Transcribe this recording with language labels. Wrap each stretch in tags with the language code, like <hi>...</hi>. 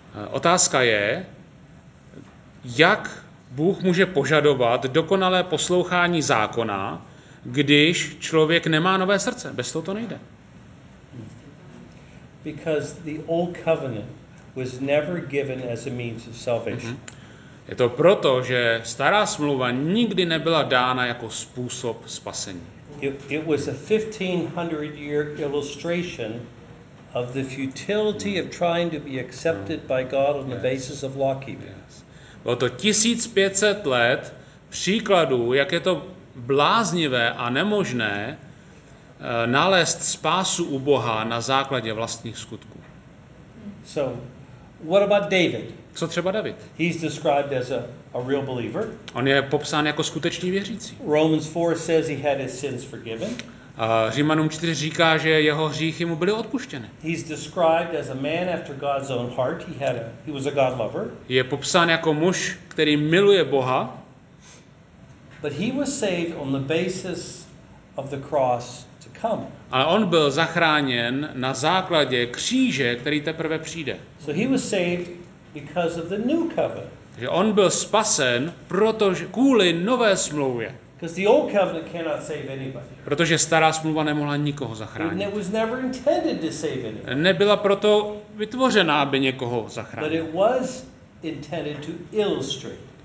<cs>Otázka je, jak Bůh může požadovat dokonalé poslouchání zákona, když člověk nemá nové srdce. Bez toho to nejde.</cs> <en>Because the old covenant was never given as a means of salvation. Mm-hmm.</en> <cs>Je to proto, že stará smlouva nikdy nebyla dána jako způsob spasení.</cs> <en>It was a 1500-year illustration of the futility of trying to be accepted by God on the basis of law keeping. Yes.</en> <cs>Bylo to 1500 let příkladu, jak je to bláznivé a nemožné nalézt spásu u Boha na základě vlastních skutků.</cs> <en>So what about David?</en> <cs>Co třeba David?</cs> <en>He's described as a real believer.</en> <cs>On je popsán jako skutečný věřící.</cs> <en>Romans 4 says he had his sins forgiven.</en> <cs>Římanům 4 říká, že jeho hříchy mu byly odpuštěny.</cs> <en>He's described as a man after God's own heart. He was a God lover.</en> <cs>Je popsán jako muž, který miluje Boha.</cs> <en>But he was saved on the basis of the cross to come.</en> <cs>Ale on byl zachráněn na základě kříže, který teprve přijde.</cs> <en>So he was saved because of the new covenant.</en> <cs>Že on byl spasen, protože kvůli nové smlouvě.</cs> <en>Because the old covenant cannot save anybody.</en> <cs>Protože stará smlouva nemohla nikoho zachránit.</cs> <en>It was never intended to save anybody.</en> <cs>Nebyla proto vytvořena, aby někoho zachránila.</cs> <en>But it was intended to illustrate.</en>